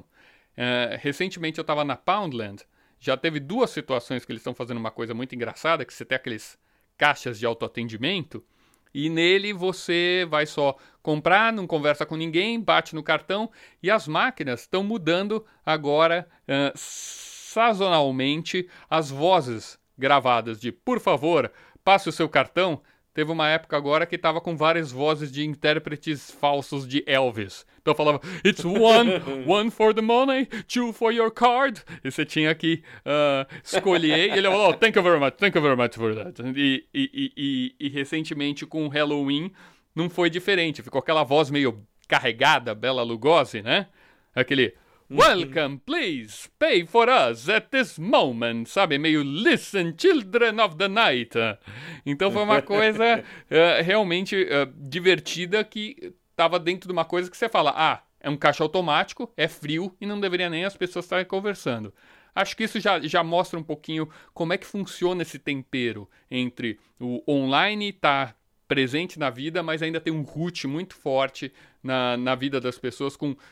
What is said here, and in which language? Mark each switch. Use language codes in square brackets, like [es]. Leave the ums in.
[pt] Uh, recentemente eu estava na Poundland, já teve duas situações que eles estão fazendo uma coisa muito engraçada, que você tem aqueles caixas de autoatendimento, e nele você vai só comprar, não conversa com ninguém, bate no cartão, e as máquinas estão mudando agora uh, sazonalmente as vozes gravadas de por favor, passe o seu cartão. Teve uma época agora que estava com várias vozes de intérpretes falsos de Elvis. Então falava, [en] it's one, one for the money, two for your card. [pt] E você tinha que uh, escolher. E ele falou, [en] oh, thank you very much, thank you very much for that. [pt] E, e, e, e recentemente com o Halloween não foi diferente. Ficou aquela voz meio carregada, Bela Lugosi, né? Aquele... [en] Welcome, please pay for us at this moment, [pt] sabe? Meio [en] listen, children of the night. [pt] Então foi uma coisa uh, realmente uh, divertida que estava dentro de uma coisa que você fala: ah, é um caixa automático, é frio e não deveria nem as pessoas estarem conversando. Acho que isso já, já mostra um pouquinho como é que funciona esse tempero entre o online estar tá presente na vida, mas ainda tem um root muito forte na, na vida das pessoas com